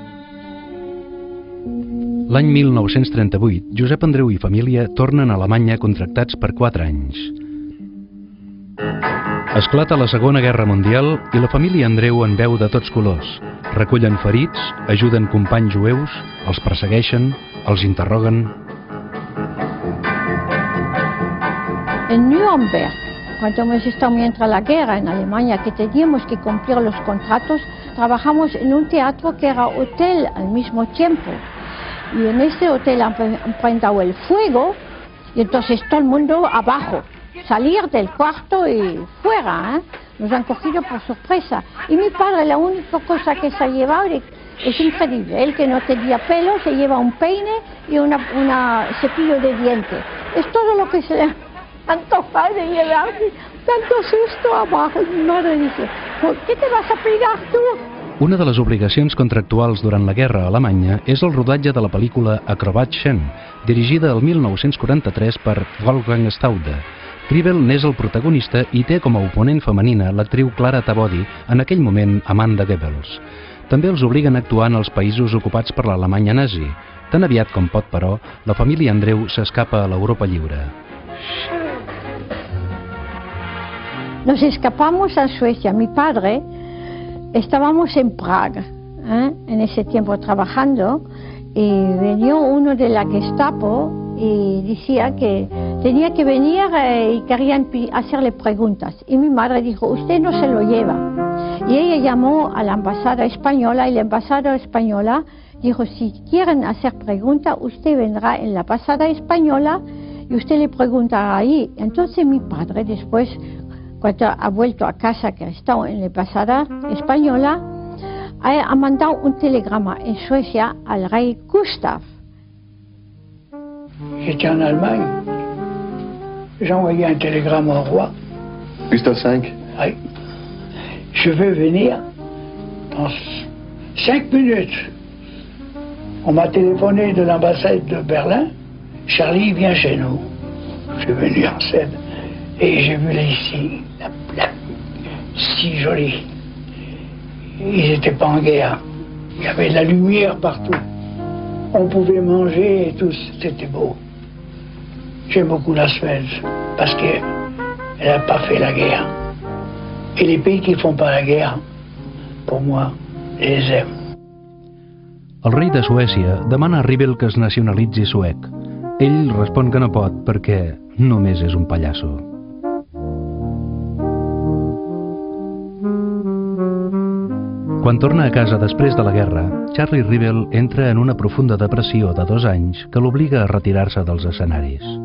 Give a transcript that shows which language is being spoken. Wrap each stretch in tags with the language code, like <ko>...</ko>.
<ca>L'any 1938, Josep Andreu i família tornen a Alemanya contractats per 4 anys. Esclata la Segona Guerra Mundial i la família Andreu en veu de tots colors. Recullen ferits, ajuden companys jueus, els persegueixen, els interroguen.</ca> <es>En Nuremberg, cuando hemos estado mientras la guerra en Alemania, que teníamos que cumplir los contratos, trabajamos en un teatro que era hotel al mismo tiempo. Y en ese hotel han prendido el fuego y entonces todo el mundo abajo. Salir del cuarto y fuera, ¿eh? Nos han cogido por sorpresa. Y mi padre, la única cosa que se ha llevado, es increíble, él que no tenía pelo, se lleva un peine y un cepillo de dientes. Es todo lo que se le han tocado de llevar, tanto susto abajo. Mi madre dice, ¿por qué te vas a pegar tú?</es> <ca>Una de les obligacions contractuals durant la guerra a Alemanya és el rodatge de la pel·lícula Acrobat Shen, dirigida el 1943 per Wolfgang Staude. Rivel n'és el protagonista i té com a oponent femenina l'actriu Clara Tabody, en aquell moment amant de Goebbels. També els obliguen a actuar en els països ocupats per l'Alemanya nazi. Tan aviat com pot, però, la família Andreu s'escapa a l'Europa lliure.</ca> <es>Nos escapamos a Suecia. Mi padre, estábamos en Praga, ¿eh? En ese tiempo trabajando, y venió uno de la Gestapo y decía que tenía que venir y querían hacerle preguntas. Y mi madre dijo, usted no se lo lleva. Y ella llamó a la embajada española y la embajada española dijo, si quieren hacer preguntas, usted vendrá en la embajada española y usted le preguntará ahí. Entonces mi padre después, cuando ha vuelto a casa, que ha estado en la embajada española, ha mandado un telegrama en Suecia al rey Gustav.</es> <fr>J'étais en Allemagne. J'ai envoyé un télégramme au roi. Gustave V. Oui. Je vais venir dans 5 minutes. On m'a téléphoné de l'ambassade de Berlin. Charlie vient chez nous. Je suis venu en scène. Et j'ai vu les signes. La, si jolie. Ils n'étaient pas en guerre. Il y avait de la lumière partout. On pouvait manger et tout, c'était beau. J'aime beaucoup la Suède parce qu'elle n'a pas fait la guerre. Et les pays qui ne font pas la guerre, pour moi, je les aime.</fr> <ca>El rei de Suècia demana a Rivel que es nacionalitzi suec. Ell respon que no pot perquè només és un pallasso. Quan torna a casa després de la guerra, Charlie Rivel entra en una profunda depressió de 2 anys que l'obliga a retirar-se dels escenaris.</ca>